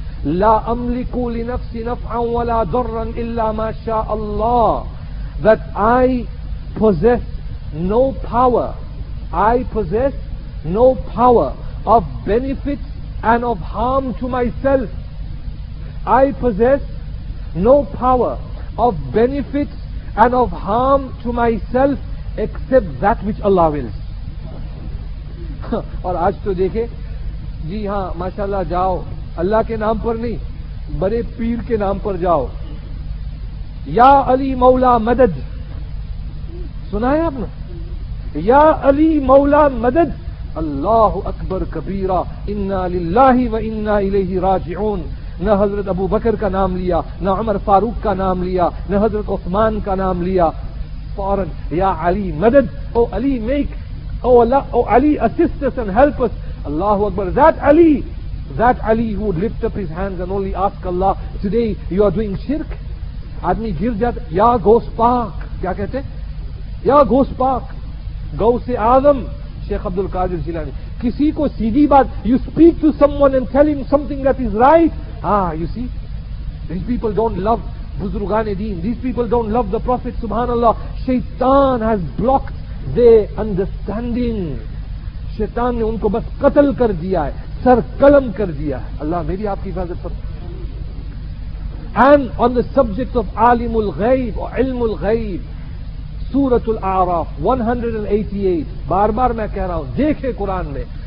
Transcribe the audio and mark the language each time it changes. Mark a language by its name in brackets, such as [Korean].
[Arabic] لا أملك لنفسي نفعا ولا ضرا إلا ما شاء الله. [English] That I possess no power, I possess no power of benefit and of harm to myself. I possess no power of benefit and of harm to myself except that which Allah wills. [Urdu] اور آج تو دیکھیں جی ہاں ماشاءاللہ جاؤ اللہ کے نام پر نہیں بڑے پیر کے نام پر جاؤ. یا علی مولا مدد, سنا ہے آپ نے, یا علی مولا مدد. [Arabic] اللہ اکبر کبیرہ, انا للہ و انا الیہ راجعون. [Urdu] نہ حضرت ابو بکر کا نام لیا, نہ عمر فاروق کا نام لیا, نہ حضرت عثمان کا نام لیا, فوراً یا علی مدد, او علی make, O Allah, O Ali [English] assist us and help us. [Urdu] Allah Akbar. [English] That Ali who would lift up his hands and only ask Allah, today you are doing shirk. [Urdu] آدمی گر جاتا, یا گوس پاک, کیا کہتے ہیں یا گوس پاک, گوس آدم. [English] Sheikh Abdul Qadir Jilani, [Urdu] کسی کو سیدھی بات, [English] you speak to someone and tell him something that is right. Ah, you see, these people don't love بزرگان دین, these people don't love the Prophet, subhanallah. Shaitan has blocked their understanding. [Urdu] Shaitan نے ان کو بس قتل کر دیا ہے, سر قلم کر دیا ہے. اللہ میری آپ کی حفاظت پر. [English] And on the subject of [Urdu] عالم الغیب or علم الغیب, سورة الاعراف 188, بار بار میں کہہ رہا ہوں, دیکھے قرآن میں.